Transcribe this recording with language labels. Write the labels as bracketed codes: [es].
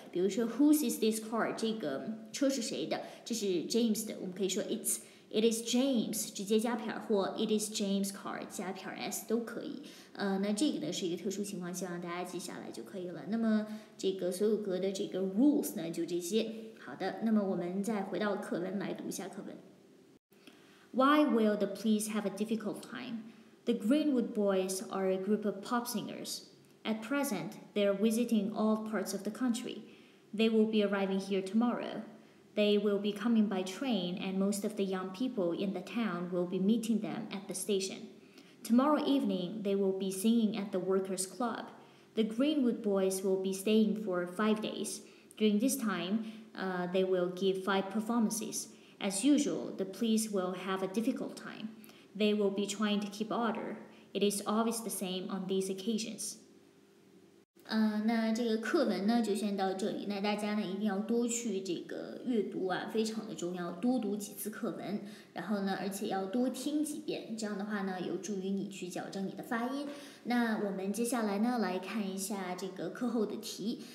[zh] 比如说 ， [en] Whose is this car？ [zh] 这个车是谁的？这是 James 的，我们可以说 [en] It is James， [zh] 直接加撇或 [en] It is James' car [zh] 加撇 s 都可以。那这个呢是一个特殊情况，希望大家记下来就可以了。那么这个所有格的这个 rules 呢就这些。好的，那么我们再回到课文来读一下课文。 [en] Why will the police have a difficult time? The Greenwood Boys are a group of pop singers. At present, they are visiting all parts of the country. They will be arriving here tomorrow. They will be coming by train, and most of the young people in the town will be meeting them at the station. Tomorrow evening, they will be singing at the workers' club. The Greenwood Boys will be staying for 5 days. During this time, they will give 5 performances. As usual, the police will have a difficult time. They will be trying to keep order. It is always the same on these occasions. [zh] 那这个课文呢就先到这里。那大家呢一定要多去这个阅读啊，非常的重要，多读几次课文，然后呢而且要多听几遍，这样的话呢有助于你去矫正你的发音。那我们接下来呢来看一下这个课后的题。